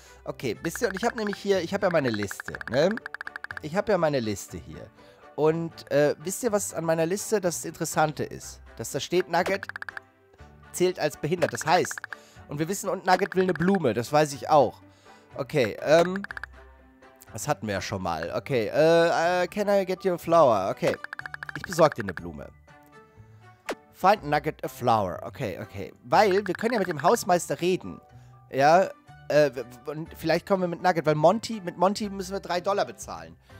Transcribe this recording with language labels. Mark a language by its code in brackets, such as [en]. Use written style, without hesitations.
[de] Okay, wisst ihr, und ich habe nämlich hier, ich habe ja meine Liste, ne? Ich habe ja meine Liste hier. Und wisst ihr, was an meiner Liste das Interessante ist? Dass da steht, Nugget zählt als behindert. Das heißt, und wir wissen, und Nugget will eine Blume, das weiß ich auch. Okay, das hatten wir ja schon mal. [en] Okay, can I get you a flower? [de] Okay, ich besorge dir eine Blume. [en] Find Nugget a flower. [de] Okay, okay. Weil wir können ja mit dem Hausmeister reden. Ja, und vielleicht kommen wir mit Nugget, weil mit Monty müssen wir $3 bezahlen.